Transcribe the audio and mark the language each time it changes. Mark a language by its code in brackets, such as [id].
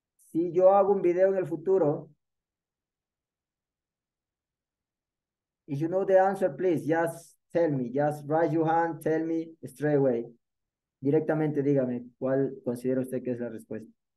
[es] Si yo hago un video en el futuro. [en] If you know the answer, please, just tell me. Just raise your hand, tell me straight away. [es] Directamente dígame cuál considera usted que es la respuesta.